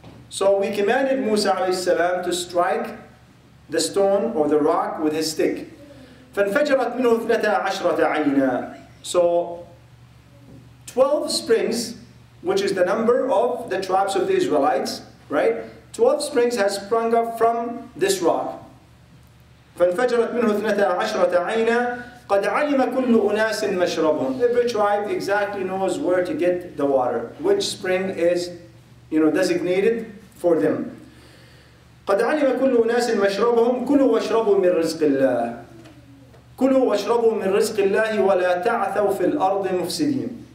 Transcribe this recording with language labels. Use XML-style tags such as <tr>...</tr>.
<en>So we commanded Musa alayhi salam to strike the stone or the rock with his stick.</en> <ar>فَانْفَجَرَتْ مِنْهُ اثْنَتَا عَشْرَةَ عَيْنًا.</ar> <en>So 12 springs, which is the number of the tribes of the Israelites, right? 12 springs has sprung up from this rock.</en> <ar>فَانْفَجَرَتْ مِنْهُ اثْنَتَا عَشْرَةَ عَيْنًا قَدْ عَلِمَ كُلُّ أُنَاسٍ مَشْرَبُهُمْ.</ar> <en>Every tribe exactly knows where to get the water, which spring is, you know, designated for them.</en> <ar>قَدْ عَلِمَ كُلُّ أُنَاسٍ مَشْرَبُهُمْ كُلُوا وَاشْرَبُوا مِنْ رِزْقِ اللَّهِ كُلُوا وَاشْرَبُوا مِنْ رِزْقِ اللَّهِ وَلَا تَعْثَوْا فِي الْأَرْضِ مُفْسِدِينَ.</ar>